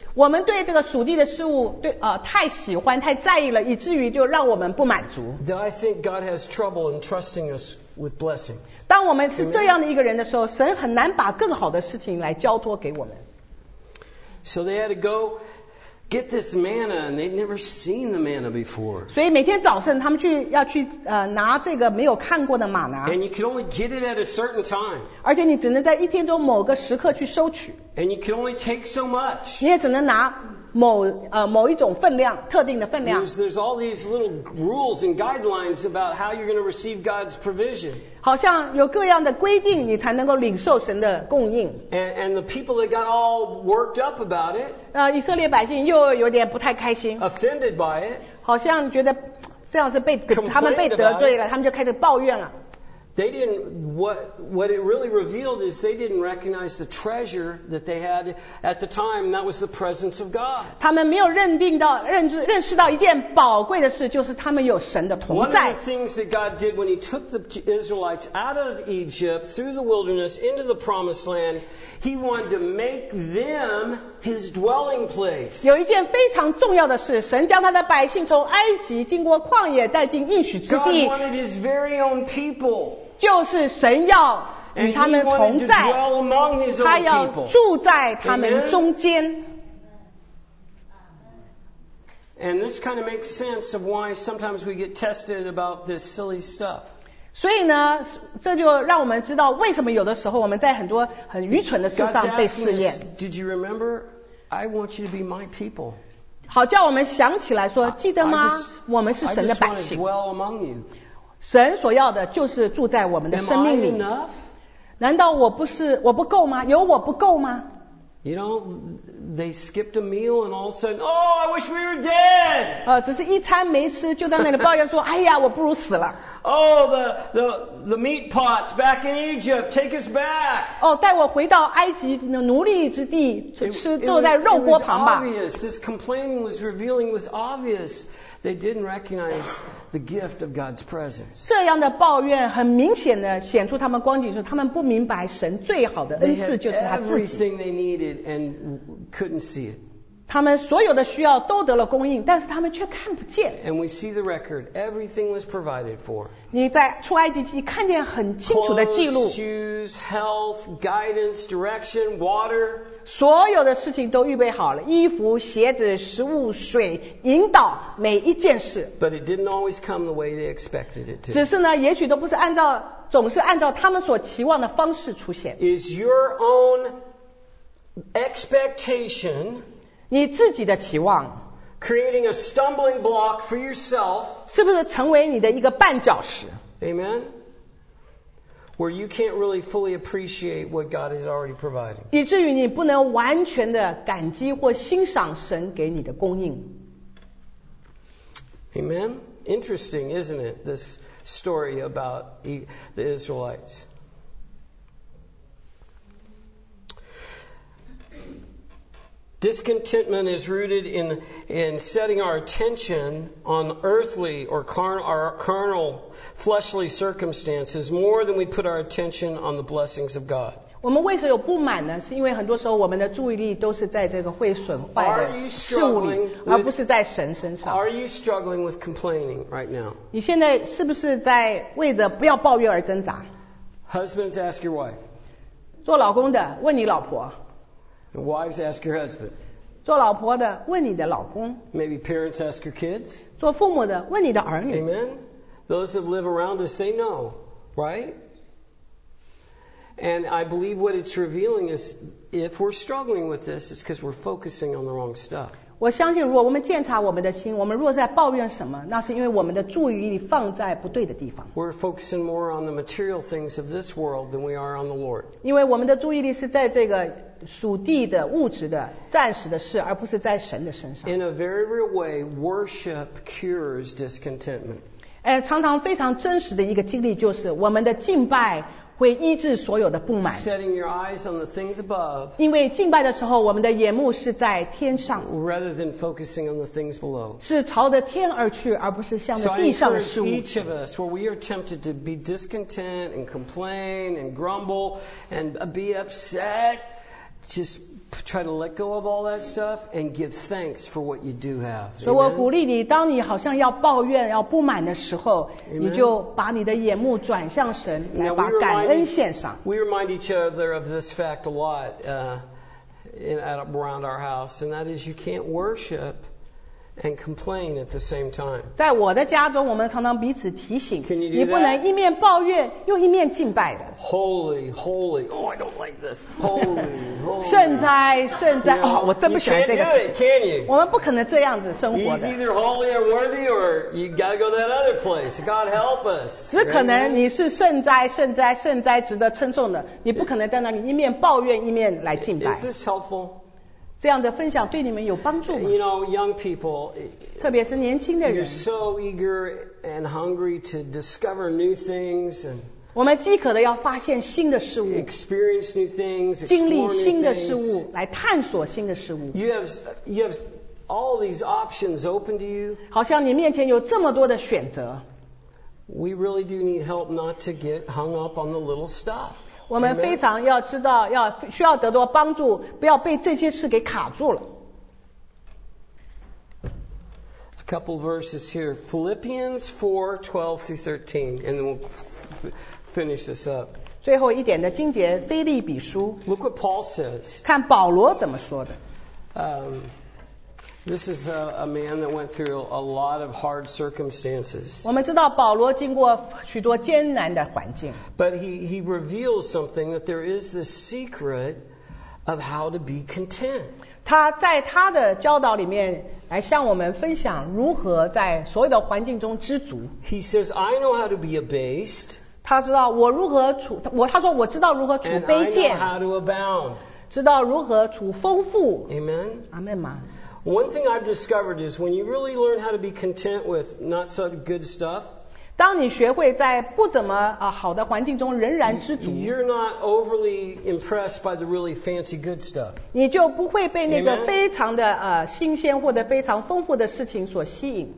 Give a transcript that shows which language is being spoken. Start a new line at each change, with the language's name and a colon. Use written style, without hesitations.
Chinese: 我们对这个属地的事物对太喜欢太在意了，以至于就让我们不满足。
English: I think God has trouble in trusting us with blessings.
Chinese: 当我们是这样的一个人的时候，神很难把更好的事情来交托给我们。
English: So they had to go get this manna, and they'd never seen the manna before.
Chinese: 所以每天早晨他们去要去拿这个没有看过的玛拿。
English: And you can only get it at a certain time.
Chinese: 而且你只能在一天中某个时刻去收取。
English: And you can only take so much.
Chinese: 你也只能拿。某一种分量，特定的分量。
English: There's all these little rules and guidelines about how you're going to receive God's provision.
Chinese: 好像有各样的规定，你才能够领受神的供应。
English: And the people that got all worked up about it.
Chinese: 以色列百姓又有点不太开心。
English: Offended by it.
Chinese: 好像觉得这样是被他们被得罪了，他们就开始抱怨了。
English: They didn't, what it really revealed is they didn't recognize the treasure that they had at the time, that was the presence of God.
Chinese: 他们没有认识到一件宝贵的事，就是他们有神的同在。
English: One of the things that God did when he took the Israelites out of Egypt, through the wilderness, into the promised land, he wanted to make them his dwelling place.
Chinese: 有一件非常重要的事，神将他的百姓从埃及经过旷野带进应许之地。
English: God wanted his very own people.
Chinese: 就是神要与他们同在，他要住在他们中间。
English: And this kind of makes sense of why sometimes we get tested about this silly stuff.
Chinese: 所以呢，这就让我们知道为什么有的时候我们在很多很愚蠢的事上被试验。
English: Did you remember? I want you to be my people.
Chinese: 好，叫我们想起来说，记得吗？我们是神的百姓。
English: I just want to dwell among you.
Chinese: 神所要的就是住在我们的生命里。
English: Am I enough?
Chinese: 难道我不够吗？有我不够吗？
English: You know, they skipped a meal and all of a sudden, oh, I wish we were dead.
Chinese: 只是一餐没吃，就在那里抱怨说，哎呀，我不如死了。
English: Oh, the meat pots back in Egypt, take us back.
Chinese: 哦，带我回到埃及奴隶之地，吃坐在肉锅旁吧。
English: It was obvious. This complaining was revealing was obvious. They didn't recognize the gift of God's presence.
Chinese: 这样的抱怨很明显的显出他们光景是他们不明白神最好的恩赐就是他自己。
English: They had everything they needed and couldn't see it.
Chinese: 他们所有的需要都得了供应，但是他们却看不见。
English: And we see the record. Everything was provided for.
Chinese: 你在出埃及记看见很清楚的记录。
English: Clothes, shoes, health, guidance, direction, water.
Chinese: 所有的事情都预备好了，衣服、鞋子、食物、水、引导每一件事。
English: But it didn't always come the way they expected it to.
Chinese: 只是呢，也许都不是总是按照他们所期望的方式出现。
English: Is your own expectation
Chinese: 你自己的期望
English: creating a stumbling block for yourself
Chinese: 是不是成为你的一个绊脚石
English: Amen? Where you can't really fully appreciate what God has already provided.
Chinese: 以至于你不能完全的感激或欣赏神给你的供应
English: Amen? Interesting, isn't it? This story about the Israelites. Discontentment is rooted in setting our attention on earthly or carnal fleshly circumstances more than we put our attention on the blessings of God.
Chinese: 我们为什么有不满呢？是因为很多时候我们的注意力都是在这个会损坏的事物里，而不是在神身上。
English: Are you struggling with complaining right now?
Chinese: 你现在是不是在为着不要抱怨而挣扎？
English: Husbands, ask your wife.
Chinese: 做老公的，问你老婆。
English: Wives ask your husband.
Chinese: 做老婆的问你的老公。
English: Maybe parents ask your kids.
Chinese: 做父母的问你的儿女。
English: Amen. Those that live around us, they know, right? And I believe what it's revealing is if we're struggling with this, it's because we're focusing on the wrong stuff.
Chinese: 我相信如果我们检查我们的心，我们若在抱怨什么，那是因为我们的注意力放在不对的地方。
English: We're focusing more on the material things of this world than we are on the Lord.
Chinese: 因为我们的注意力是在这个属地的物质的暂时的事而不是在神的身上
English: In a very real way worship cures discontentment
Chinese: 常常非常真实的一个经历就是我们的敬拜会医治所有的不满
English: Setting your eyes on the things above
Chinese: 因为敬拜的时候我们的眼目是在天上
English: Rather than focusing on the things below
Chinese: 是朝着天而去而不是向着地上的事物
English: So I encourage each of us where we are tempted to be discontent and complain and grumble and be upsetJust try to let go of all that stuff and give thanks for what you do have.
Chinese: 所以我鼓励你，当你好像要抱怨、要不满的时候，你就把你的眼目转向神，来把感恩献上。
English: We remind each other of this fact a lot, around our house, and that is you can't worship. And complain at the same time.
Chinese: 在我的家中，我们常常彼此提醒，
English: Can you do
Chinese: 你不能一面抱怨又一面敬拜的。
English: Holy, holy. Oh, I don't like this. Holy, holy.
Chinese: 圣哉，圣哉。哦，我真不喜欢这个事情。
English: You can't do it, can you?
Chinese: 我们不可能这样子生活的。
English: He's either holy or worthy, or you gotta go to that other place. God help us.
Chinese: 只可能你是圣哉，圣哉，圣哉，值得称颂的。你不可能在那里一面抱怨一面来敬拜。
English: Is this helpful?
Chinese: 这样的分享对你们有帮助吗？
English: You know, young people,
Chinese: 特别是年轻的人，
English: you're so eager and hungry to discover new things and
Chinese: 我们饥渴的要发现新的事物，
English: experience new things,
Chinese: 经历新的事物，来探索新的事物。
English: You have all these options open to you.
Chinese: 好像你面前有这么多的选择。
English: We really do need help not to get hung up on the little stuff.
Chinese: 我们非常要知道，要需要得到帮助，不要被这些事给卡住了。
English: A couple verses here, Philippians 4:12-13, and then we'll finish this up.
Chinese: 最后一点的经节，腓立比书。
English: Look what Paul says.
Chinese: 看保罗怎么说的。
English: This is a man that went through a lot of hard circumstances.
Chinese: 我们知道保罗经过许多艰难的环境。
English: But he reveals something that there is this secret of how to be content.
Chinese: 他在他的教导里面来向我们分享如何在所有的环境中知足。
English: He says, I know how to be abased.
Chinese: 他知道我如何处，我，他说我知道如何处卑贱。
English: And I know how to abound.
Chinese: 知道如何处丰富。
English: Amen.
Chinese: 阿门吗？
English: One thing I've discovered is when you really learn how to be content with not so good stuff,
Chinese: 当你学会在不怎么好的环境中仍然知足，
English: you're not overly impressed by the really fancy good stuff.
Chinese: 你就不会被那个非常的新鲜或者非常丰富的事情所吸引。